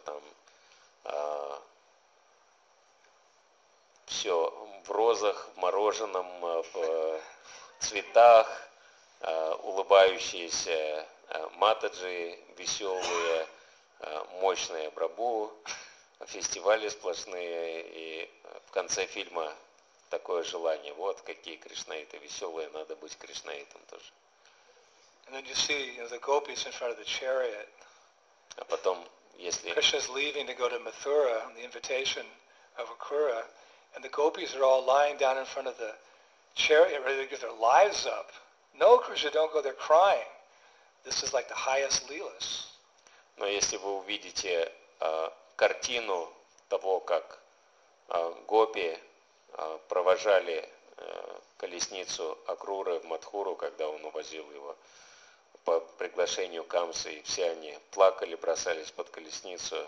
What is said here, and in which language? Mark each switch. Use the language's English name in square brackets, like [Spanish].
[Russian] Там все в розах, в мороженом, в цветах, улыбающиеся матаджи, веселые, мощные Прабу, фестивали сплошные, и в конце фильма такое желание. Вот какие кришнаиты веселые, надо быть кришнаитом тоже. [English] And then you see, you know, the gopis in front of the chariot. [Russian] А потом, если... [English] Krishna's leaving to go to Mathura on the invitation of Akura, and the gopis are all lying down in front of the chariot, ready to give their lives up. No, Krishna, don't go there crying. This is like the highest leelas. [Russian] Но если вы увидите картину того, как гопи провожали колесницу Акруры в Матхуру, когда он увозил его по приглашению Камсы, и все они плакали, бросались под колесницу.